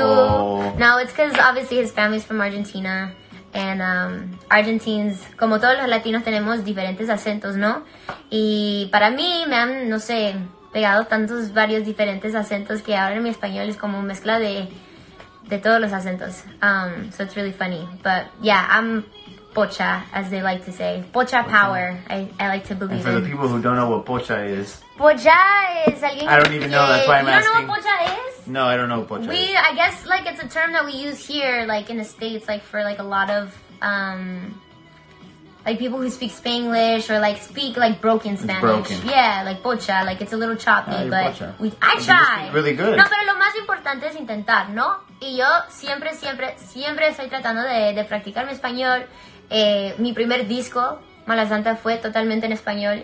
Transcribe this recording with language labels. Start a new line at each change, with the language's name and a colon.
English: No, it's because obviously his family's from Argentina. And Argentines,
Spanish: como todos los latinos, tenemos diferentes acentos, ¿no? Y para mí me han, no sé, pegado tantos varios diferentes acentos que ahora mi español es como una mezcla de todos los acentos.
English: So it's really funny. But yeah, I'm pocha, as they like to say. Pocha power, I like to believe. And for the people who don't know what pocha is. Pocha is alguien que... I don't even know, that's why I'm asking. You don't know what pocha is? No, I don't know what pocha is. I guess, like, it's a term that we use here, like, in the States, like, for, like, a lot of, like, people who speak Spanglish or, like, speak, like, broken Spanish. It's broken. Yeah, like, pocha, like, it's a little choppy, but pocha. I try. Really good.
Spanish: No, pero lo más importante es intentar, ¿no? Y yo siempre estoy tratando de practicar mi español. Mi primer disco, Mala Santa, fue totalmente en español.